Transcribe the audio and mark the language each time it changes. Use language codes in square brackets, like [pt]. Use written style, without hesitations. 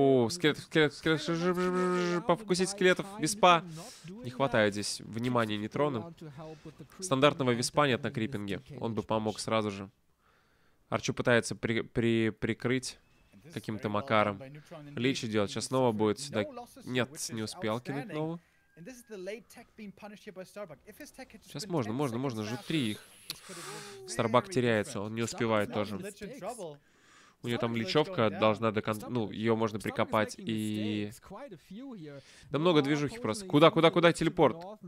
[ru] скелет, пофокусить скелетов, виспа. Не хватает здесь внимания Нейтрона. Стандартного виспа нет на крипинге. Он бы помог сразу же. Арчу пытается прикрыть каким-то макаром. Лич идет, сейчас снова будет сюда. Нет, не успел кинуть снова. [en] And this is the late tech being punished here by Starbuck. If his tech had just [ru] сейчас можно, можно, можно же три их. Starbuck теряется, он не успевает тоже. У нее там личовка должна до конца, ну, ее можно прикопать и... Да много движухи просто. Куда, куда, куда телепорт?